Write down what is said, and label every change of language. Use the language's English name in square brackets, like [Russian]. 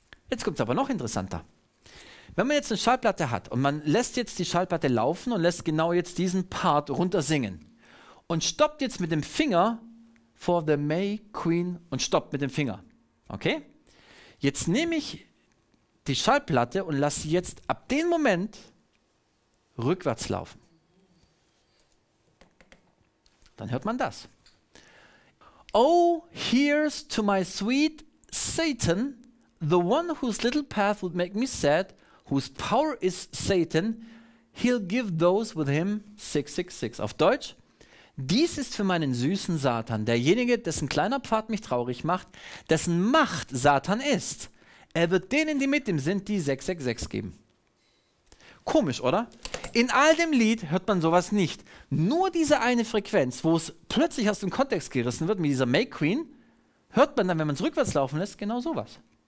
[German] Jetzt kommt es aber noch interessanter. Wenn man jetzt eine Schallplatte hat und man lässt jetzt die Schallplatte laufen und lässt genau jetzt diesen Part runtersingen und stoppt jetzt mit dem Finger [English] for the May Queen [German] und stoppt mit dem Finger. Okay? Jetzt nehme ich die Schallplatte und lasse sie jetzt ab dem Moment rückwärts laufen. Dann hört man das. [English] Oh, here's to my sweet Satan, the one whose little path would make me sad, whose power is Satan, he'll give those with him 666. [German] Auf Deutsch, dies ist für meinen süßen Satan, derjenige, dessen kleiner Pfad mich traurig macht, dessen Macht Satan ist. Er wird denen, die mit ihm sind, die 666 geben. Komisch, oder? In all dem Lied hört man sowas nicht. Nur diese eine Frequenz, wo es plötzlich aus dem Kontext gerissen wird, mit dieser May Queen, hört man dann, wenn man es rückwärts laufen lässt, genau sowas.